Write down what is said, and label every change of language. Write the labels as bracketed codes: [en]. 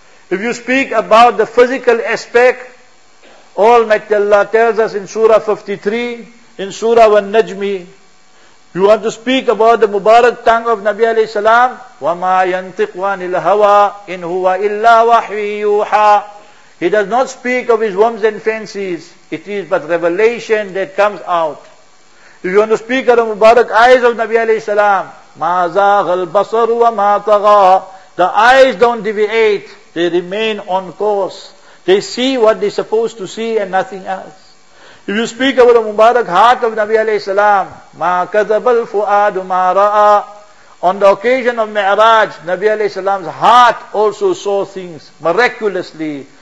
[en] If you speak about the physical aspect, Almighty Allah tells us in Surah 53, in Surah Al-Najmi, you want to speak about the Mubarak tongue of Nabi alayhi salam? [ar] وَمَا يَنْتِقْوَانِ الْهَوَىٰ إِنْ هُوَ إِلَّا وَحْوِي يُوحَىٰ [en] He does not speak of his whims and fancies. It is but revelation that comes out. If you want to speak of the Mubarak eyes of Nabi alayhi salam? [ar] مَا زَاغَ الْبَصَرُ وَمَا طَغَىٰ [en] The eyes don't deviate. They remain on course. They see what they're supposed to see and nothing else. If you speak about the Mubarak heart of Nabi alayhi salam, [ar] مَا كَذَبَ الْفُؤَادُ مَا رَأَىٰ [en] On the occasion of Mi'raj, Nabi alayhi salam's heart also saw things miraculously.